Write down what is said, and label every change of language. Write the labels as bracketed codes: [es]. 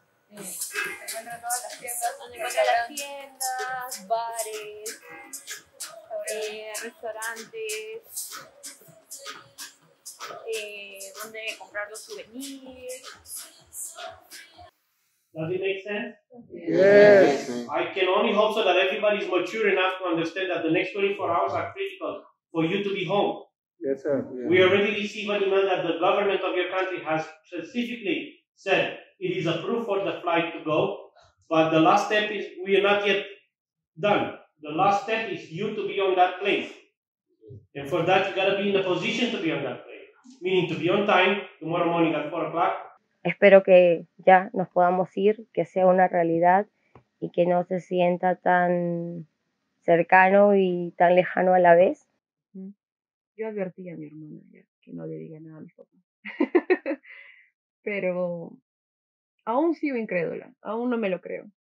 [es] Encuentra todas las tiendas, bares, restaurantes, donde comprar los souvenirs. [en] Does it make sense? Yes. I can only hope so that everybody is mature enough to understand that the next 24 hours are critical for you to be home. Yes, sir. Yeah. We already received an email that the government of your country has specifically said it is approved for the flight to go, but the last step is we are not yet done. The last step is you to be on that plane. And for that, you got to be in the position to be on that plane, meaning to be on time tomorrow morning at 4 o'clock. [es] Espero que ya nos podamos ir, que sea una realidad y que no se sienta tan cercano y tan lejano a la vez. Yo advertí a mi hermana ya que no le diga nada a mi papá. Pero aún sigo incrédula, aún no me lo creo.